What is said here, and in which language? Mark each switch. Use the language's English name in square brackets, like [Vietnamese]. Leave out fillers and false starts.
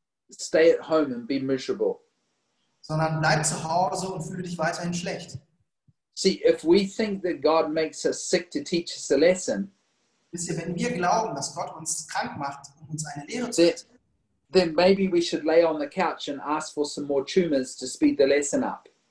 [English] Stay at home and be miserable. [German] Sondern bleib zu Hause und fühle dich weiterhin schlecht. [English] See, if we think that God makes us sick to teach us a lesson, [German] wisst ihr, wenn wir glauben, dass Gott uns krank macht, um uns eine Lehre zu geben, [English] then maybe we should lay on the couch and ask for some more tumors to speed the lesson up.